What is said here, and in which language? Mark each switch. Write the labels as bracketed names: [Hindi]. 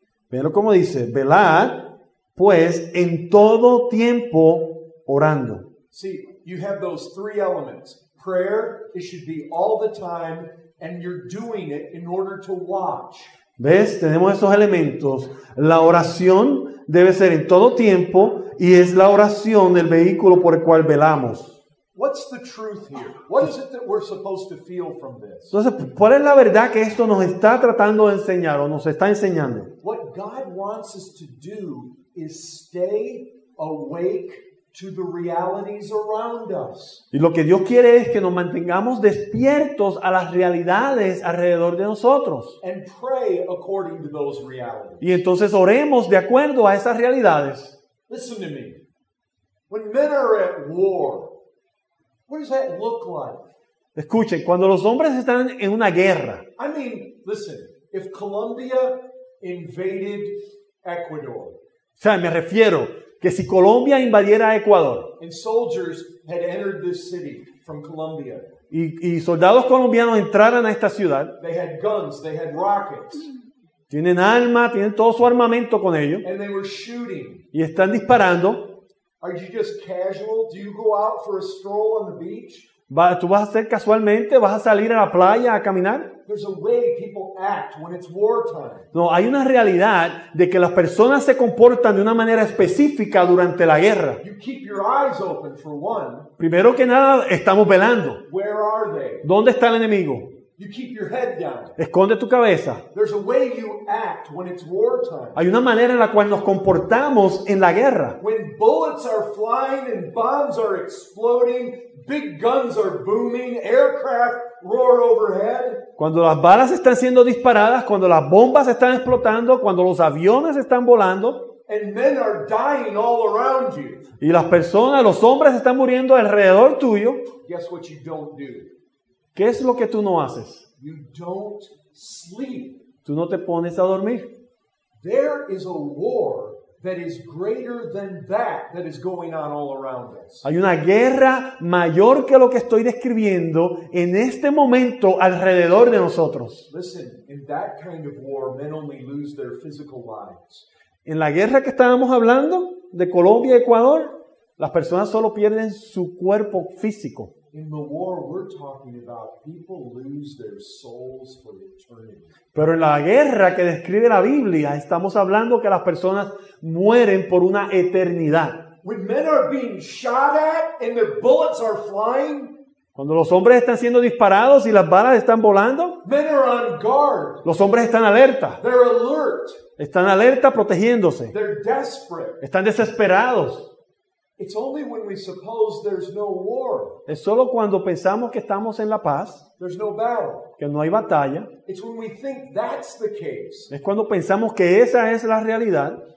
[Spanish] Pero como dice, velad, pues en todo tiempo orando. [English] See, you have those three elements. Prayer, it should be all the time, and you're doing it in order to watch. [Spanish] ¿Ves? Tenemos esos elementos. La oración debe ser en todo tiempo y es la oración el vehículo por el cual velamos. [English] What's the truth here? What is it that we're supposed to feel from this? [Spanish] Entonces, ¿cuál es la verdad que esto nos está tratando de enseñar o nos está enseñando? [English] What God wants us to do is stay awake to the realities around us. [Spanish] Y lo que Dios quiere es que nos mantengamos despiertos a las realidades alrededor de nosotros. [English] And pray according to those realities. [Spanish] Y entonces oremos de acuerdo a esas realidades. [English] Listen to me. When men are at war, what does that look like? [Spanish] Escuchen, cuando los hombres están en una guerra. [English] I mean, listen, if Colombia invaded Ecuador. [Spanish] O sea, me refiero que si Colombia invadiera Ecuador. [English] And soldiers had entered this city from Colombia. [Spanish] Y soldados colombianos entraran a esta ciudad. [English] They had guns, they had rockets. [Spanish] Tienen arma, tienen todo su armamento con ellos. [English] And they were shooting. [Spanish] Y están disparando. [English] Are you just casual? Do you go out for a stroll on the beach? [Spanish] ¿Tú vas a hacer casualmente? ¿Vas a salir a la playa a caminar? [English] There's a way people act when it's wartime. [Spanish] No, hay una realidad de que las personas se comportan de una manera específica durante la guerra. [English] You keep your eyes open for one. [Spanish] Primero que nada, estamos velando. [English] Where are they? [Spanish] ¿Dónde está el enemigo? [English] You keep your head down. [Spanish] Esconde tu cabeza. [English] There's a way you act when it's wartime. [Spanish] Hay una manera en la cual nos comportamos en la guerra. [English] When bullets are flying and bombs are exploding, big guns are booming, aircraft roar overhead. [Spanish] Cuando las balas están siendo disparadas, cuando las bombas están explotando, cuando los aviones están volando. [English] And men are dying all around you. [Spanish] Y las personas, los hombres están muriendo alrededor tuyo. [English] Guess what you don't do. [Spanish] ¿Qué es lo que tú no haces? [English] You don't sleep. [Spanish] Tú no te pones a dormir. [English] There is a war that is greater than that that is going on all around us. [Spanish] Hay una guerra mayor que lo que estoy describiendo en este momento alrededor de nosotros. [English] Listen, in that kind of war, men only lose their physical lives. [Spanish] En la guerra que estábamos hablando de Colombia y Ecuador, las personas solo pierden su cuerpo físico. [English] In the war we're talking about, people lose their souls for eternity. [Spanish] Pero en la guerra que describe la Biblia, estamos hablando que las personas mueren por una eternidad. [English] When men are being shot at and their bullets are flying, [Spanish] cuando los hombres están siendo disparados y las balas están volando, [English] men are on guard. [Spanish] Los hombres están alerta. [English] They're alert. [Spanish] Están alerta protegiéndose. [English] They're desperate. [Spanish] Están desesperados. [English] It's only when we suppose there's no war. [Spanish] Es solo cuando pensamos que estamos en la paz. [English] There's no battle. [Spanish] Que no hay batalla. [English] It's when we think that's the case. [Spanish] Es cuando pensamos que esa es la realidad.